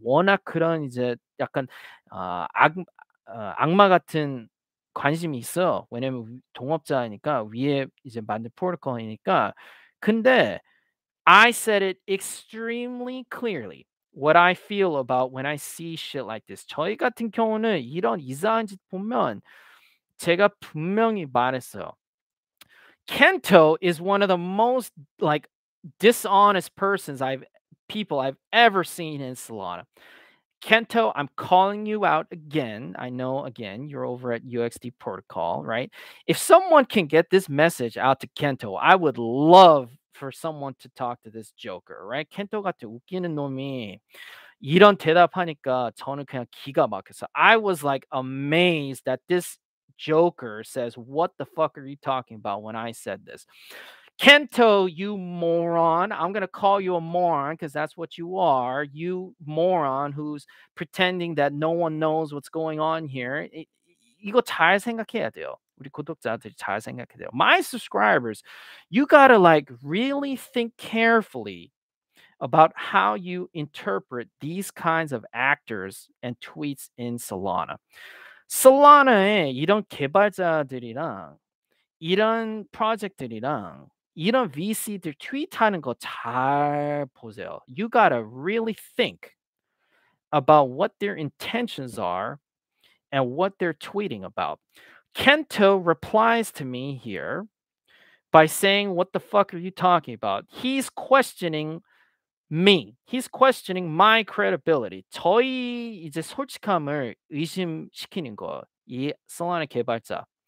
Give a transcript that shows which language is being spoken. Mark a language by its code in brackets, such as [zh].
[ko] 워낙 그런 이제 약간 악마 같은 관심이 있어. 왜냐면 동업자이니까 위에 이제 만든 프로토콜이니까. 근데 [en] I said it extremely clearly what I feel about when I see shit like this. [ko] 저희 같은 경우는 이런 이상한 짓 보면 제가 분명히 말했어요. [en] Kento is one of the most like dishonest people I've ever seen in Solana. Kento, I'm calling you out again. I know, again, you're over at UXD Protocol, right? If someone can get this message out to Kento, I would love for someone to talk to this joker, right? [ko] Kento 같은 웃기는 놈이 이런 대답하니까 저는 그냥 기가 막혔어. [en] I was like amazed that this joker says, "What the fuck are you talking about?" when I said this. Kento, you moron. I'm going to call you a moron because that's what you are. You moron who's pretending that no one knows what's going on here. [ko] 이거 잘 생각해야 돼요. 우리 구독자들 잘 생각해야 돼요. [en] My subscribers, you got to like really think carefully about how you interpret these kinds of actors and tweets in Solana. [ko] Solana에 이런 개발자들이랑 이런 프로젝트들이랑 이런 VC들 트윗하는 거 잘 보세요. [en] You gotta really think about what their intentions are and what they're tweeting about. Kento replies to me here by saying, "What the fuck are you talking about?" He's questioning me. He's questioning my credibility. [ko] 저희 이제 솔직함을 의심시키는 거, 이 솔라나 개발자.